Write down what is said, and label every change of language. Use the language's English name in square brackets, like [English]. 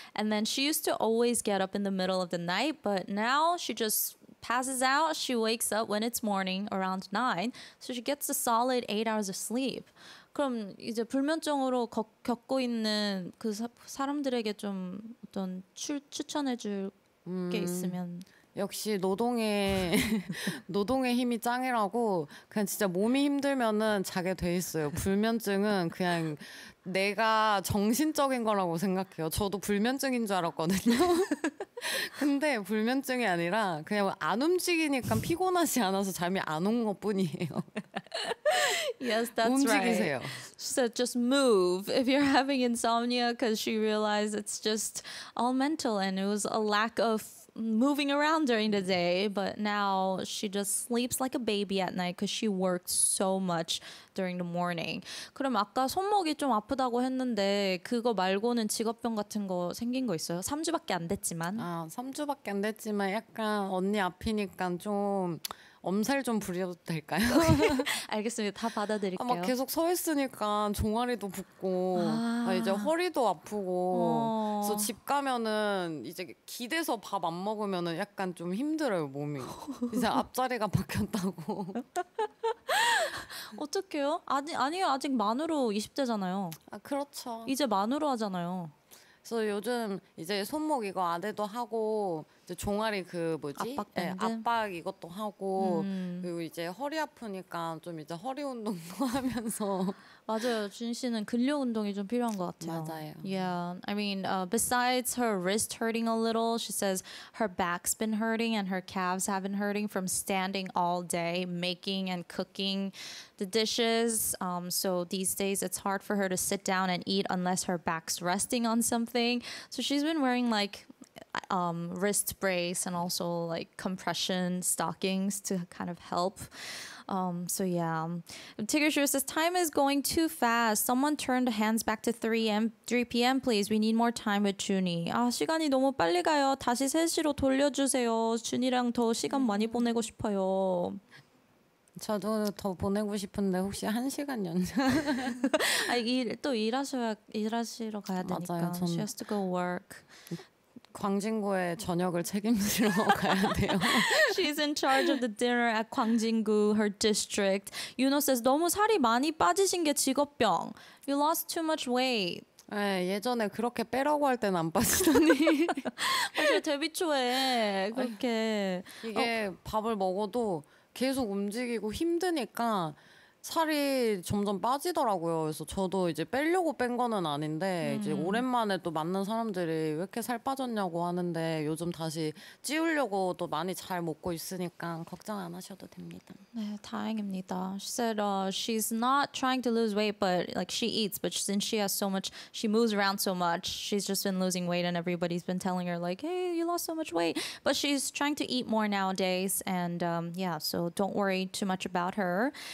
[English] And then she used to always get up in the middle of the night, but now she just passes out, she wakes up when it's morning around 9, so she gets a solid 8 hours of sleep. [Korean] 그럼 이제 불면증으로 겪고 있는 그 사람들에게 좀 어떤 추천해 줄 게 있으면 역시 노동의 힘이 짱이라고 그냥 진짜 몸이 힘들면은 자게 돼 있어요. 불면증은 그냥 내가 정신적인 거라고 생각해요. 저도 불면증인 줄 알았거든요. 근데 불면증이 아니라 그냥 안 움직이니까 피곤하지 않아서 잠이 안 온 것뿐이에요. [English] Yes, that's [Korean] 움직이세요. [English] right. So just move if you're having insomnia because she realized it's just all mental and it was a lack of moving around during the day, but now she just sleeps like a baby at night because she works so much during the morning. [Korean] 그럼 아까 손목이 좀 아프다고 했는데 그거 말고는 직업병 같은 거 생긴 거 있어요? 3주밖에 안 됐지만. 아, 3주밖에 안 됐지만 약간 언니 앞이니까 좀 엄살 좀 부려도 될까요? 알겠습니다. 다 받아들일게요. 아, 막 계속 서 있으니까 종아리도 붓고 아, 이제 허리도 아프고 그래서 집 가면은 이제 기대서 밥 안 먹으면은 약간 좀 힘들어요, 몸이. 이제 앞자리가 바뀌었다고. 어떡해요? 아니요. 아직 만으로 20대잖아요. 아, 그렇죠. 이제 만으로 하잖아요. 그래서 요즘 이제 손목 이거 아대도 하고 종아리 그 뭐지? 압박밴드? 네, 압박 이것도 하고 그리고 이제 허리 아프니까 좀 이제 허리 운동도 하면서 맞아요. 준 씨는 근력 운동이 좀 필요한 것 같아요. 맞아요. [English] Yeah. I mean, besides her wrist hurting a little, she says her back's been hurting and her calves have been hurting from standing all day making and cooking the dishes. So these days it's hard for her to sit down and eat unless her back's resting on something. So she's been wearing like wrist brace and also like compression stockings to kind of help. So yeah, Tigger Shrew says time is going too fast. Someone turn the hands back to 3 p.m. please. We need more time with Junie. [Korean] 아, 시간이 너무 빨리 가요. 다시 3시로 돌려주세요. 준이랑 더 시간 많이 보내고 싶어요. 저도 더 보내고 싶은데 혹시 1시간 연장? 아, 일하시러 가야 되니까. 맞아요, 전... [English] She has to go work. [Korean] 광진구에 저녁을 책임지러 가야 돼요. [English] She's in charge of the dinner at 광진구, her district. Yuno says [Korean] 너무 살이 많이 빠지신 게 직업병. [English] You lost too much weight. [Korean] 네, 예전에 그렇게 빼라고 할 때는 안 빠지더니 사실 데뷔 초에 그렇게 이게 밥을 먹어도 계속 움직이고 힘드니까 살이 점점 빠지더라고요. 그래서 저도 이제 빼려고 뺀 거는 아닌데 이제 오랜만에 또 만난 사람들이 왜 이렇게 살 빠졌냐고 하는데 요즘 다시 찌우려고 또 많이 잘 먹고 있으니까 걱정 안 하셔도 됩니다. 네, 다행입니다. [English] She said she's not trying to lose weight, but like she eats. But since she has so much, she moves around so much, she's just been losing weight and everybody's been telling her like, hey, you lost so much weight. But she's trying to eat more nowadays. And yeah, so don't worry too much about her.